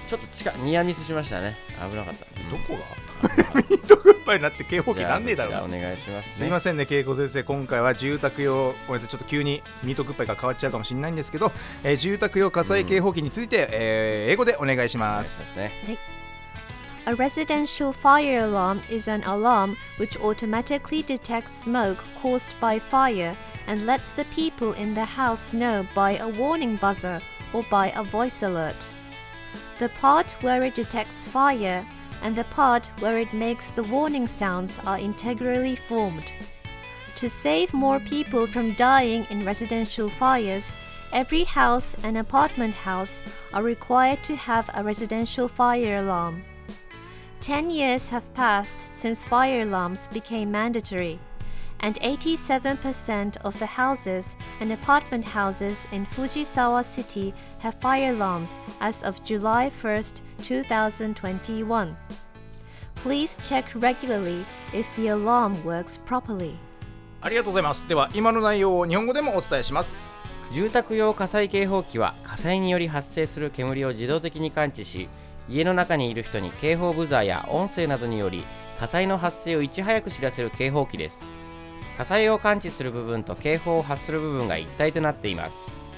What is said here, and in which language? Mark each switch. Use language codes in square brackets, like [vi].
[ja] ちょっと近い、ニアミスしましたね。危なかった、どこが。ミートグッバイになって警報器なんねえだろ。じゃあ、お願いします、ね、すいませんね、恵子先生、今回は住宅用、ごめんなさい、ちょっと急にミートグッバイが変わっちゃうかもしれないんですけど、住宅用火災警報器について、英語でお願いします。お願いしますね。はい。 [en] A residential fire alarm is an alarm which automatically detects smoke caused by fire and lets the people in the house know by a warning buzzer or by a voice alert. The part where it detects fire and the part where it makes the warning sounds are integrally formed. To save more people from dying in residential fires, every house and apartment house are required to have a residential fire alarm. 10 years have passed since fire alarms became mandatory, and 87% of the houses and apartment houses in Fujisawa City have fire alarms as of July 1st, 2021. Please check regularly if the alarm works properly. [ja] ありがとうございます。では今の内容を日本語でもお伝えします。住宅用火災警報器は火災により発生する煙を自動的に感知し、家の中にいる人に警報ブザーや音声などにより火災の発生をいち早く知らせる警報器です。火災を感知する部分と警報を発する部分が一体となっています。